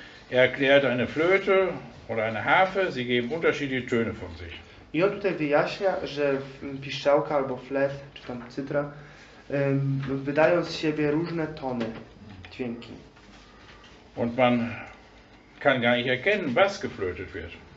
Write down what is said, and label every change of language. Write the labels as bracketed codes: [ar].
[de] Er erklärt eine Flöte oder eine Harfe, sie geben unterschiedliche Töne von sich. [pl] I on tutaj wyjaśnia, że piszczałka albo flet, czy tam cytra, wydają z siebie różne tony, dźwięki. [de] Und man kann gar nicht erkennen, was geflötet wird.